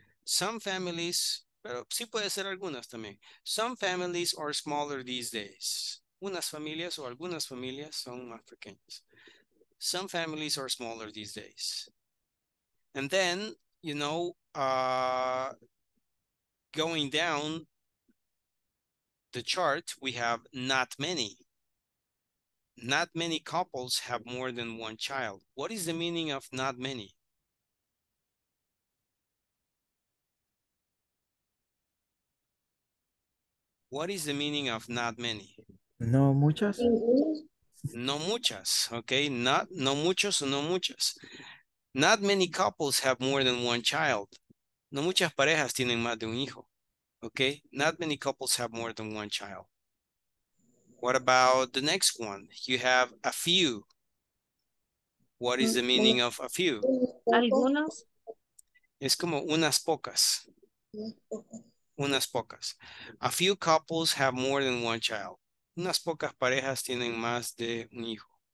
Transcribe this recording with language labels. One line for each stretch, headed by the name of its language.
English: Some families,
Spanish: pero sí puede ser algunas también.
English: Some families are smaller these days.
Spanish: Unas familias o algunas familias son más pequeñas.
English: Some families are smaller these days. And then, you know, going down the chart, we have not many. Not many couples have more than one child. What is the meaning of not many? What is the meaning of not many?
Spanish: No muchas. No muchas, okay? Not no muchos o no muchas.
English: Not many couples have more than one child.
Spanish: No muchas parejas tienen más de un hijo, okay?
English: Not many couples have more than one child. What about the next one? You have a few. What is the meaning of a few?
Spanish: Algunas. Es como unas pocas. Unas pocas.
English: A few couples have more than one child.
Spanish: Unas pocas parejas tienen más de un hijo.